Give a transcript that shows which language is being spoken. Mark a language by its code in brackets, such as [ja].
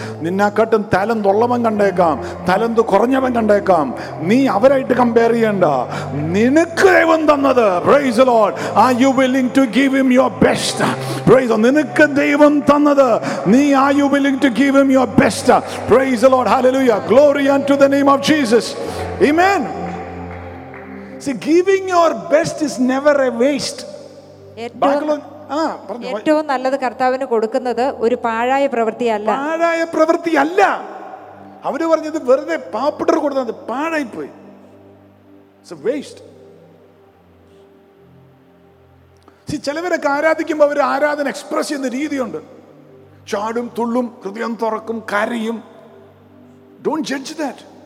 [ml] നിന്നാക്കാട്ടും talent ഉള്ളവൻ കണ്ടേക്കാം, talent കുറഞ്ഞവൻ കണ്ടേക്കാം, നീ അവരായിട്ട് കമ്പയർ ചെയ്യണ്ട. നിനക്ക് ദൈവം തന്നത്, [en] Praise the Lord, are you willing to give him your best? Praise [ml] നിനക്ക് ദൈവം തന്നത്, നീ [en] Are you willing to give him your best? Praise the Lord, hallelujah, glory unto the name of Jesus. [ml] Amen. [en] See, giving your best is never a waste. [ml] ഏറ്റവും നല്ലത് കർത്താവിന് കൊടുക്കുന്നത് ഒരു പാഴായ പ്രവൃത്തിയല്ല. പാഴായ പ്രവൃത്തിയല്ല. അവര് പറഞ്ഞത് വെറുതെ പാപ്പിട്ടർ കൊടുത്തത് പാഴായി പോയി. [en] It's a waste. [ml] See, ചിലവരൊക്കെ ആരാധിക്കുമ്പോൾ അവർ ആരാധന എക്സ്പ്രസ് ചെയ്യുന്ന രീതിയുണ്ട്, ചാടും തുള്ളും ഹൃദയം തുറക്കും കരയും. [en] Don't judge that.